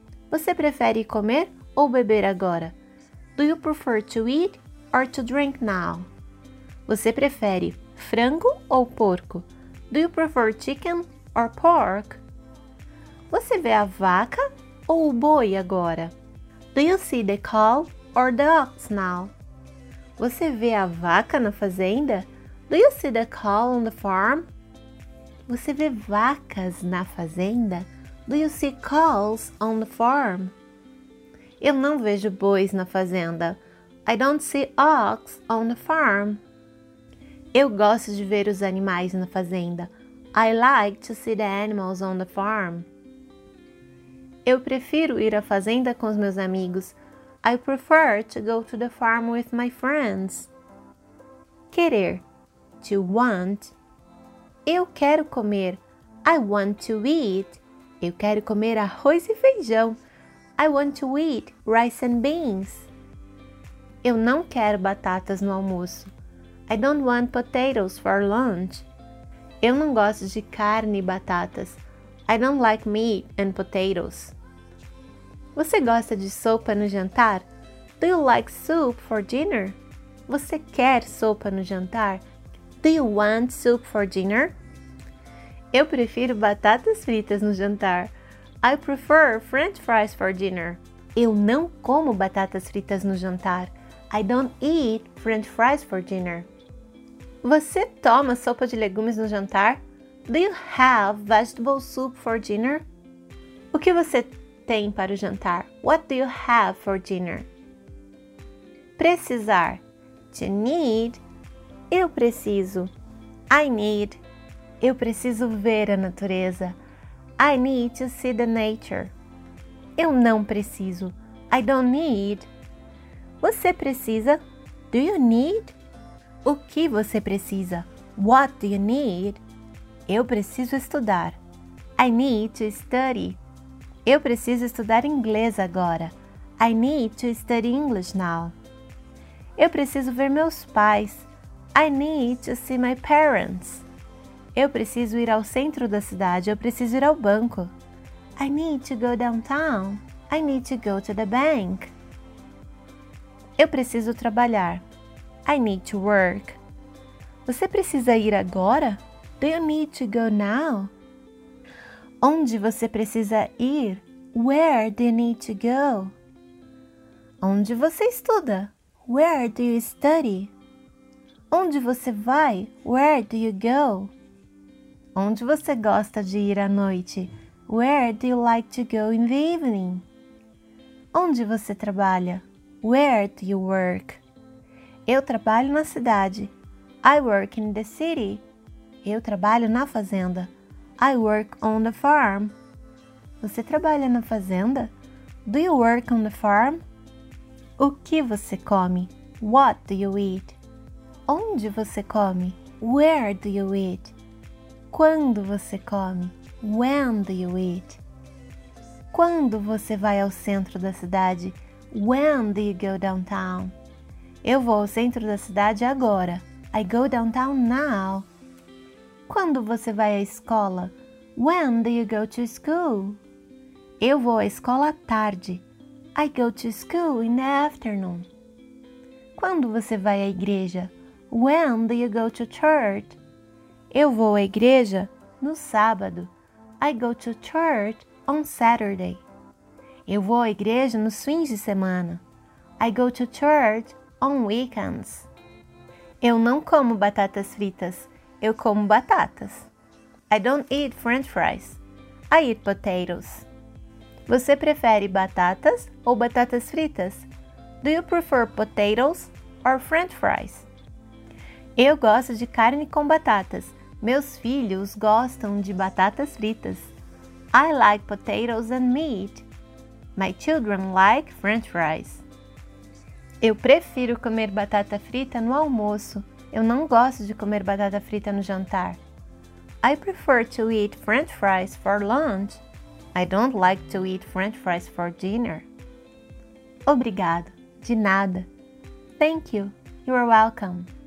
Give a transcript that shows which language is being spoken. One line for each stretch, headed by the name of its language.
Portuguese: Você prefere comer ou beber agora?
English: Do you prefer to eat or to drink now?
Portuguese: Você prefere frango ou porco?
English: Do you prefer chicken or pork?
Portuguese: Você vê a vaca ou o boi agora?
English: Do you see the cow or the ox now?
Portuguese: Você vê a vaca na fazenda?
English: Do you see the cow on the farm?
Portuguese: Você vê vacas na fazenda?
English: Do you see cows on the farm?
Portuguese: Eu não vejo bois na fazenda.
English: I don't see ox on the farm.
Portuguese: Eu gosto de ver os animais na fazenda.
English: I like to see the animals on the farm.
Portuguese: Eu prefiro ir à fazenda com os meus amigos.
English: I prefer to go to the farm with my friends.
Portuguese: Querer.
English: To want.
Portuguese: Eu quero comer.
English: I want to eat.
Portuguese: Eu quero comer arroz e feijão.
English: I want to eat rice and beans.
Portuguese: Eu não quero batatas no almoço.
English: I don't want potatoes for lunch.
Portuguese: Eu não gosto de carne e batatas.
English: I don't like meat and potatoes.
Portuguese: Você gosta de sopa no jantar?
English: Do you like soup for dinner?
Portuguese: Você quer sopa no jantar?
English: Do you want soup for dinner?
Portuguese: Eu prefiro batatas fritas no jantar.
English: I prefer french fries for dinner.
Portuguese: Eu não como batatas fritas no jantar.
English: I don't eat french fries for dinner.
Portuguese: Você toma sopa de legumes no jantar?
English: Do you have vegetable soup for dinner?
Portuguese: O que você tem para o jantar?
English: What do you have for dinner?
Portuguese: Precisar.
English: To need.
Portuguese: Eu preciso.
English: I need.
Portuguese: Eu preciso ver a natureza.
English: I need to see the nature.
Portuguese: Eu não preciso.
English: I don't need.
Portuguese: Você precisa?
English: Do you need?
Portuguese: O que você precisa?
English: What do you need?
Portuguese: Eu preciso estudar.
English: I need to study.
Portuguese: Eu preciso estudar inglês agora.
English: I need to study English now.
Portuguese: Eu preciso ver meus pais.
English: I need to see my parents.
Portuguese: Eu preciso ir ao centro da cidade. Eu preciso ir ao banco.
English: I need to go downtown. I need to go to the bank.
Portuguese: Eu preciso trabalhar.
English: I need to work.
Portuguese: Você precisa ir agora?
English: Do you need to go now?
Portuguese: Onde você precisa ir?
English: Where do you need to go?
Portuguese: Onde você estuda?
English: Where do you study?
Portuguese: Onde você vai?
English: Where do you go? Onde você gosta de ir à noite? Where do you like to go in the evening?
Portuguese: Onde você trabalha?
English: Where do you work?
Portuguese: Eu trabalho na cidade.
English: I work in the city.
Portuguese: Eu trabalho na fazenda.
English: I work on the farm.
Portuguese: Você trabalha na fazenda?
English: Do you work on the farm?
Portuguese: O que você come?
English: What do you eat?
Portuguese: Onde você come?
English: Where do you eat?
Portuguese: Quando você come?
English: When do you eat?
Portuguese: Quando você vai ao centro da cidade?
English: When do you go downtown?
Portuguese: Eu vou ao centro da cidade agora.
English: I go downtown now.
Portuguese: Quando você vai à escola?
English: When do you go to school?
Portuguese: Eu vou à escola à tarde.
English: I go to school in the afternoon.
Portuguese: Quando você vai à igreja?
English: When do you go to church?
Portuguese: Eu vou à igreja no sábado.
English: I go to church on Saturday.
Portuguese: Eu vou à igreja nos fins de semana.
English: I go to church on weekends.
Portuguese: Eu não como batatas fritas. Eu como batatas.
English: I don't eat french fries. I eat potatoes.
Portuguese: Você prefere batatas ou batatas fritas?
English: Do you prefer potatoes or french fries?
Portuguese: Eu gosto de carne com batatas. Meus filhos gostam de batatas fritas.
English: I like potatoes and meat. My children like french fries.
Portuguese: Eu prefiro comer batata frita no almoço. Eu não gosto de comer batata frita no jantar.
English: I prefer to eat French fries for lunch. I don't like to eat French fries for dinner.
Portuguese: Obrigado. De nada.
English: Thank you. You are welcome.